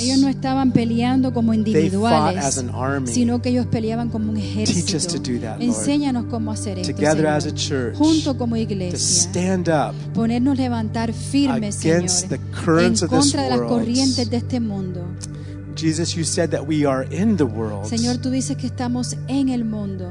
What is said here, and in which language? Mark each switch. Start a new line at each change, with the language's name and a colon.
Spanish: Ellos no estaban peleando como individuales.
English: They fought as an army.
Spanish: Sino que ellos peleaban como un ejército.
English: Teach us to do that, Lord.
Spanish: Enséñanos cómo hacer esto,
English: together As a church.
Spanish: Junto como iglesia.
English: To stand up.
Spanish: Ponernos levantar firmes, Señor.
English: Against the currents of this world.
Spanish: En contra de las corrientes de este mundo.
English: Jesus, you said that we are in the world.
Spanish: Señor, tú dices que estamos en el mundo.